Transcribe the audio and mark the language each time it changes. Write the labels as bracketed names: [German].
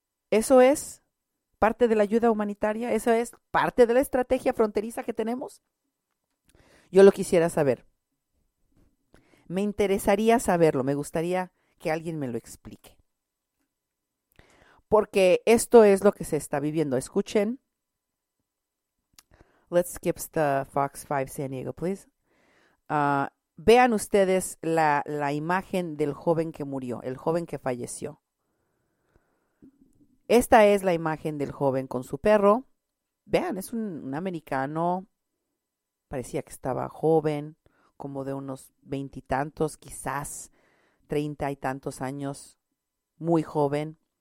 [Spanish] ¿Eso es parte de la ayuda humanitaria? ¿Eso es parte de la estrategia fronteriza que tenemos? Yo lo quisiera saber. Me interesaría saberlo, me gustaría que alguien me lo explique. Porque esto es lo que se está viviendo. Escuchen. [English] Let's skip the Fox 5 San Diego, please. [Spanish] Vean ustedes la imagen del joven que murió, el joven que falleció. Esta es la imagen del joven con su perro. Vean, es un americano. Parecía que estaba joven, como de unos 20 y tantos, quizás 30 y tantos años, muy joven.